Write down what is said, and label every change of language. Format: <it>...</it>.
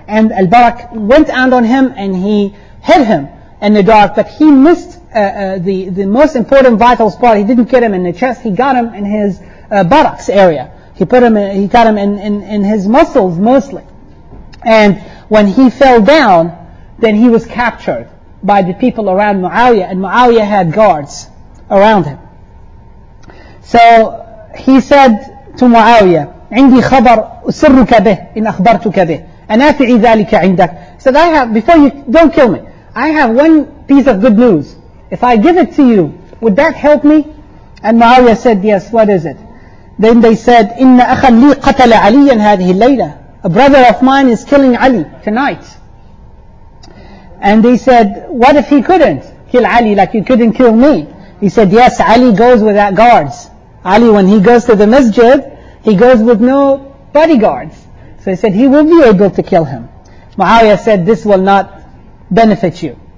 <en>And Al-Barak went out on him and he hit him in the dark, but he missed the most important vital spot. He didn't get him in the chest. He got him in his buttocks area. He got him in his muscles mostly. And when he fell down, then he was captured by the people around Muawiyah, and Muawiyah had guards around him. So he said to Muawiyah,</en> <ar>"عندي خبر أسرك به إن أخبرتك به أنافع ذلك عندك."</ar> <en>Said, "I have, before you don't kill me, I have one piece of good news. If I give it to you, would that help me?" And Muawiyah said, "Yes, what is it?" Then they said,</en> <ar>"إن أخا لي قتل عليا هذه الليلة."</ar> <en>A brother of mine is killing Ali tonight. And they said, "What if he couldn't kill Ali like you couldn't kill me?" He said, "Yes, Ali goes without guards. Ali, when he goes to the masjid, he goes with no bodyguards." So he said, "He will be able to kill him." Muawiyah said, "This will not benefit you."</en>